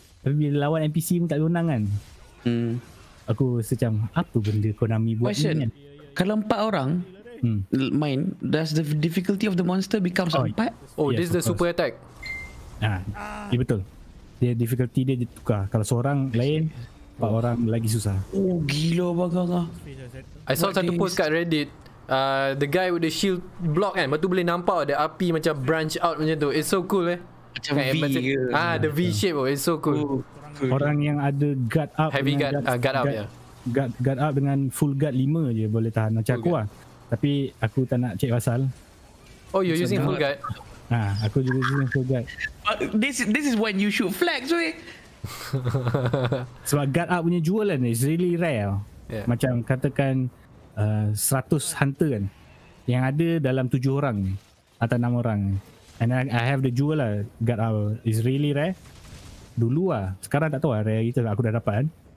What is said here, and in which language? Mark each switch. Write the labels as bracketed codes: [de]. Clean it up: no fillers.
[ms] Tapi bila lawan NPC pun tak boleh menang kan. Aku macam apa benda Konami buat. Question, ni kan. Kalau 4 orang main, [en] does the difficulty of the monster become 4? Oh yes, this is the super attack. [ms] Ya betul. Dia difficulty dia tukar. Kalau seorang lain, 4 orang lagi susah. Oh gila bagang lah. [en] I saw [ms] satu [en] post kat Reddit, the guy with the shield block kan, [ms] lepas tu boleh nampak ada api macam [en] branch out [ms] macam tu. [en] It's so cool eh. [ms] Macam kan, V macam, ke [en] ah, the V shape oh, it's so cool. [ms] Orang yang ada guard up, [en] heavy guard, guard up ya. [ms] Guard up dengan full guard 5 je boleh tahan. Macam full aku guard lah. Tapi aku tak nak check pasal. [en] Oh you're using full guard? [ms] Ah, aku juga using full guard. [en] This is when you shoot flags weh. [ms] Sebab guard up punya jualan [en] is really rare [ms] lah. Macam katakan 100 hunter kan, yang ada dalam 7 orang atau 6 orang. [en] And I have the jewel lah, guard up is really rare. [ms] Dulu lah, sekarang tak tahu lah, rare gitu aku dah dapat kan.